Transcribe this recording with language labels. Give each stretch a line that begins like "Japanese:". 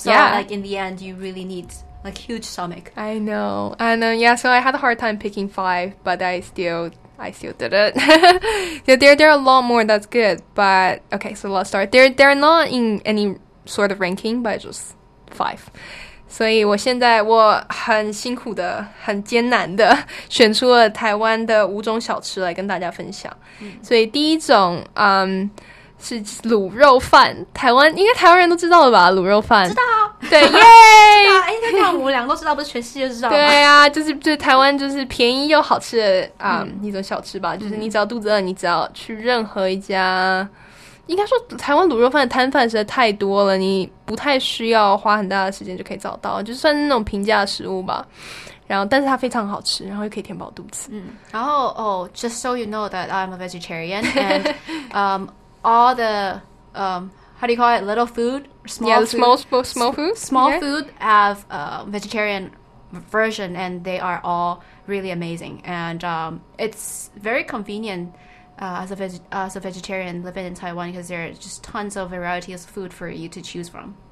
English: So like in the end, you really need like huge stomach. I know. And so I had a hard time picking 5, but I still did it. there are a lot more that's good. But okay, so let's start. They're not in any sort of ranking, but just 5.
Chinese: 所以我现在我很辛苦的很艰难的选出了台湾的五种小吃来跟大家分享。所以第一种是卤肉饭，台湾应该台湾人都知道了吧，卤肉饭。知道啊。对，耶。知道，应该我们两个都知道，不是全世界知道吗？对啊，就是台湾就是便宜又好吃的一种小吃吧，就是你只要肚子饿，你只要去任何一家。应该说台湾卤肉饭的摊贩实在太多了，你不太需要花很大的时间就可以找到，就算是那种平价食物吧，然后但是它非常好吃，然后又可以填饱肚子。然后
English: just so you know that I'm a vegetarian and all the how do you call it, little food, small food have a vegetarian version and they are all really amazing and it's very convenientas a vegetarian living in Taiwan, because there are just tons of varieties of food for you to choose from.